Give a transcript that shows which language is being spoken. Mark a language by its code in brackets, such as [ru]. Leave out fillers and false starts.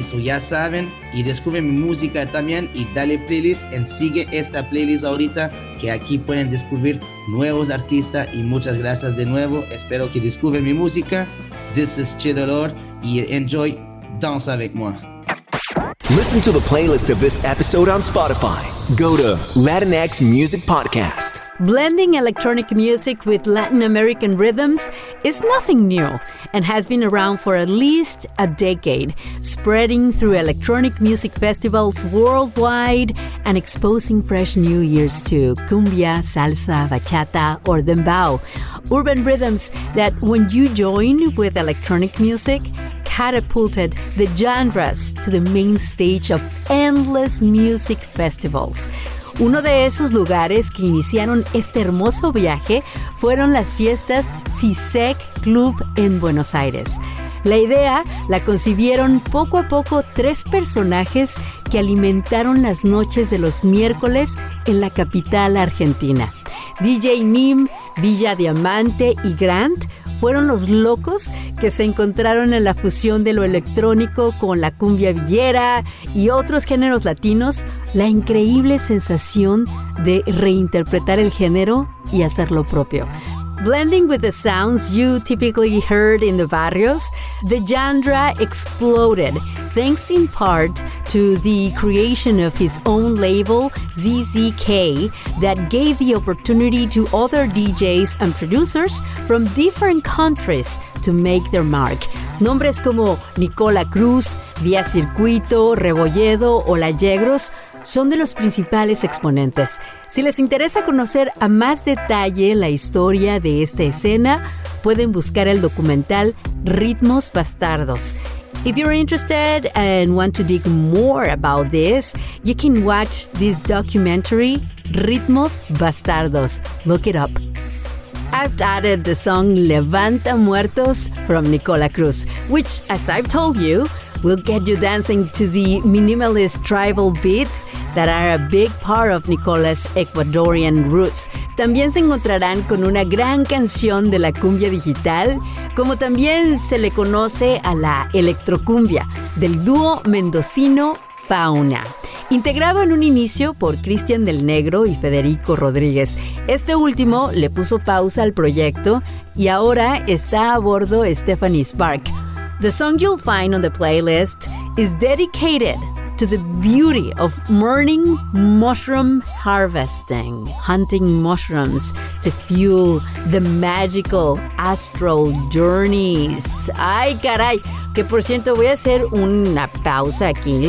[es] So ya saben, y descubren mi música también y dale playlist y sigue esta playlist ahorita, que aquí pueden descubrir nuevos artistas. Y muchas gracias de nuevo, espero que descubren mi música. [en] This is Chido Lord y enjoy Danza Vic More. Listen to the playlist of this episode on Spotify. Go to Latinx Music Podcast. Blending electronic music with Latin American rhythms is nothing new and has been around for at least a decade, spreading through electronic music festivals worldwide and exposing fresh new ears to cumbia, salsa, bachata, or dembow, urban rhythms that, when you join with electronic music, catapulted the genres to the main stage of endless music festivals. [es] Uno de esos lugares que iniciaron este hermoso viaje fueron las fiestas CISEC Club en Buenos Aires. La idea la concibieron poco a poco tres personajes que alimentaron las noches de los miércoles en la capital argentina. DJ Nim, Villa Diamante y Grant fueron los locos que se encontraron en la fusión de lo electrónico con la cumbia villera y otros géneros latinos, la increíble sensación de reinterpretar el género y hacerlo propio. [en] Blending with the sounds you typically heard in the barrios, the genre exploded, thanks in part to the creation of his own label, ZZK, that gave the opportunity to other DJs and producers from different countries to make their mark. [es] Nombres como Nicola Cruz, Vía Circuito, Rebolledo o La Yegros son de los principales exponentes. Si les interesa conocer a más detalle la historia de esta escena, pueden buscar el documental Ritmos Bastardos. [en] If you're interested and want to dig more about this, you can watch this documentary, Ritmos Bastardos. Look it up. I've added the song Levanta Muertos from Nicola Cruz, which, as I've told you, will get you dancing to the minimalist tribal beats that are a big part of Nicola's Ecuadorian roots. [es] También se encontrarán con una gran canción de la cumbia digital, como también se le conoce a la electrocumbia, del dúo mendocino Fauna. Integrado en un inicio por Cristian del Negro y Federico Rodríguez, este último le puso pausa al proyecto y ahora está a bordo Stephanie Spark. [en] The song you'll find on the playlist is dedicated to the beauty of morning mushroom harvesting, hunting mushrooms to fuel the magical astral journeys. [es] Ay, caray, que por cierto, voy a hacer una pausa aquí.